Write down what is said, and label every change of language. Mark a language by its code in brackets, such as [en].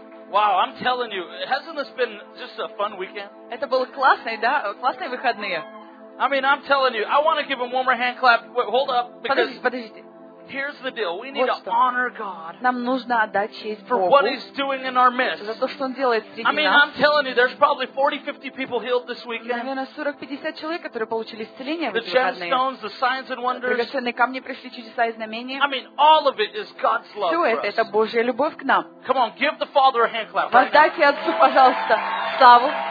[en] Wow, I'm telling you, hasn't this been just a fun weekend? [ru] Это было классное, да, классные выходные. [en] I mean, I'm telling you, I want to give him one more hand clap. Wait, hold up, because [ru] подождите. [en] Here's the deal: we need to honor God. [ru] Нам нужно отдать честь Богу [en] for what He's doing in our midst. [ru] За то, что Он делает среди нас. [en] I mean, I'm telling you, there's probably 40-50 people healed this weekend. [ru] Наверное, 40-50 человек, которые получили исцеление в эти выходные. [en] The gemstones, the signs and wonders. [ru] Драгоценные камни пришли, чудеса и знамения. [en] I mean, all of it is God's love. [ru] Все это Божья любовь к нам. [en] Come on, give the Father a hand clap. [ru] Воздайте Отцу, пожалуйста, славу.